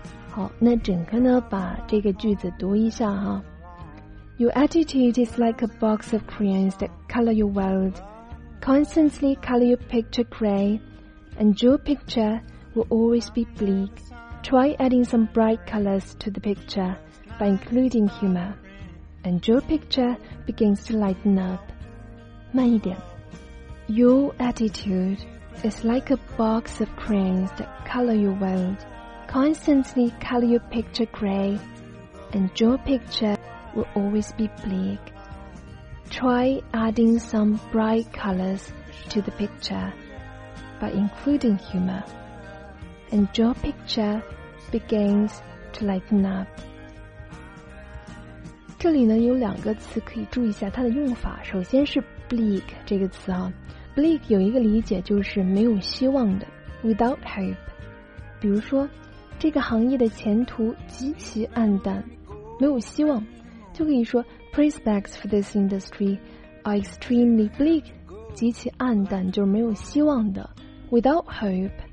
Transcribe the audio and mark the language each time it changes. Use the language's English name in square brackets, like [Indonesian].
[Chinese] 好，那整个呢把这个句子读一下哈。 [English] Your attitude is like a box of crayons that color your world. Constantly color your picture gray, and your picture will always be bleak. Try adding some bright colors to the picture. By including humor, and your picture begins to lighten up. [Chinese] 慢一点。 [English] Your attitude is like a box of crayons that color your world. Constantly color your picture gray, and your picture will always be bleak. Try adding some bright colors to the picture by including humor, and your picture begins to lighten up. [Chinese] 这里呢有两个词可以注意一下它的用法。首先是 bleak 这个词啊， bleak 有一个理解就是没有希望的， without hope。比如说这个行业的前途极其暗淡，没有希望，就可以说 prospects for this industry are extremely bleak，极其暗淡，就是没有希望的， without hope。